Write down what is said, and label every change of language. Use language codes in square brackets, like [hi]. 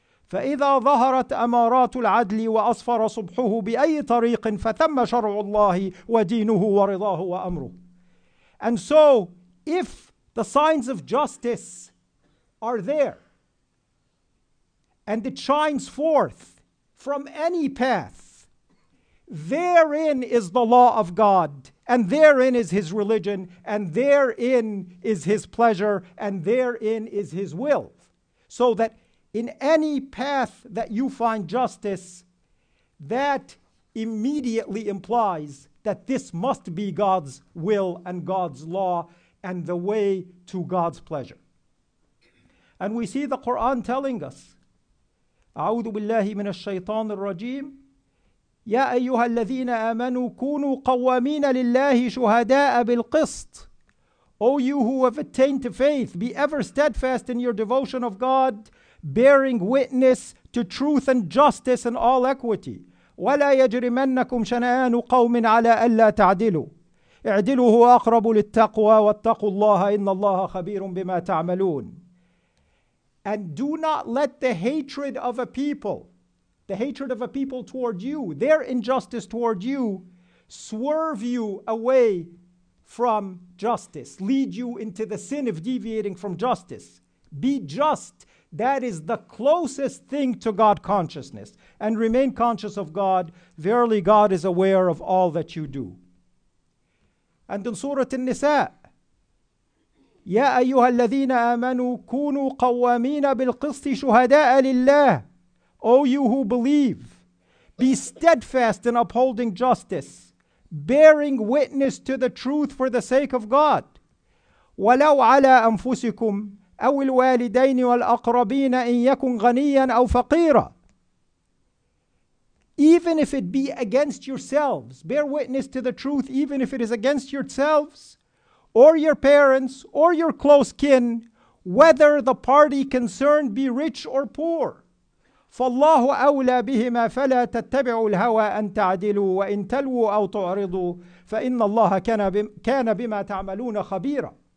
[ar] فَإِذَا ظَهَرَتْ أَمَارَاتُ الْعَدْلِ وَأَصْفَرَ صُبْحُهُ بِأَيِّ طَرِيقٍ فَثَمَّ شَرْعُ اللَّهِ وَدِينُهُ وَرِضَاهُ وَأَمْرُهُ, [en] and so if the signs of justice are there, and it shines forth from any path, therein is the law of God, and therein is His religion, and therein is His pleasure, and therein is His will. So that in any path that you find justice, that immediately implies that this must be God's will and God's law and the way to God's pleasure. And we see the Quran telling us, [ar] أعوذ بالله من الشيطان الرجيم يا أيها الذين آمنوا كونوا قوامين لله شهداء بالقسط. [en] O you who have attained to faith, be ever steadfast in your devotion of God, bearing witness to truth and justice and all equity. [ar] ولا يجرمنكم شنآن قوم على ألا تعدلوا. اعدلوا هو أقرب للتقوى واتقوا الله إن الله خبير بما تعملون. [en] And do not let the hatred of a people, the hatred of a people toward you, their injustice toward you, swerve you away from justice, lead you into the sin of deviating from justice. Be just. That is the closest thing to God consciousness. And remain conscious of God. Verily, God is aware of all that you do. And in Surah An-Nisa, [ar] يا أيها الذين آمنوا كونوا قوامين بالقسط شهداء لله. [en] O you who believe, be steadfast in upholding justice, bearing witness to the truth for the sake of God. [ar] ولو على أنفسكم أو الوالدين والأقربين إن يكن غنيا أو فقيرا. [en] Even if it be against yourselves, bear witness to the truth, even if it is against yourselves, or your parents, or your close kin, whether the party concerned be rich or poor. [ar] فَاللَّهُ أَوْلَى بِهِمَا فَلَا تَتَّبِعُوا الْهَوَىٰ أَن تَعْدِلُوا وَإِن تَلْوُوا أَوْ تُعْرِضُوا فَإِنَّ اللَّهَ كَانَ بِمَا تَعْمَلُونَ خَبِيرًا.